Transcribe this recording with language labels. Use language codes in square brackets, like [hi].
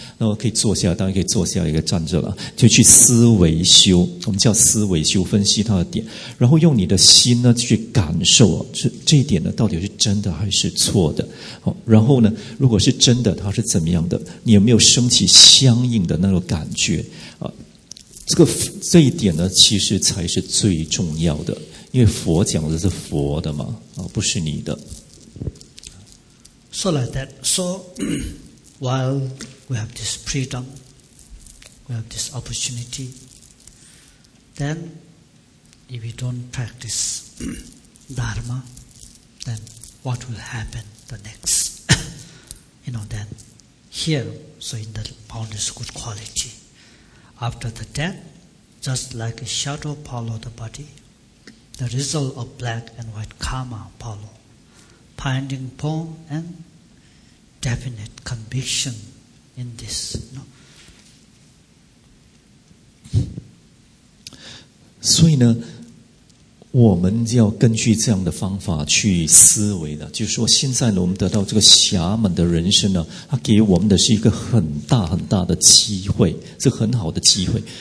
[zh] 那我可以坐下，当然可以坐下，也可以站着了，就去思维修，我们叫思维修，分析它的点，然后用你的心呢去感受，这一点呢到底是真的还是错的。好，然后呢，如果是真的，它是怎么样的，你有没有升起相应的那种感觉啊？这一点呢其实才是最重要的，因为佛讲的是佛的嘛，不是你的。 [en] So like that, so while we have this freedom, we have this opportunity, then if we don't practice Dharma, then what will happen the next? You know, then here, so in the mind is good quality. After the death, just like a shadow follow the body, the result of black and white karma follow, finding form and definite conviction in this, no? [zh] 所以呢，我们要根据这样的方法去思维的，就是说现在呢，我们得到这个侠门的人生呢，它给我们的是一个很大很大的机会，是很好的机会。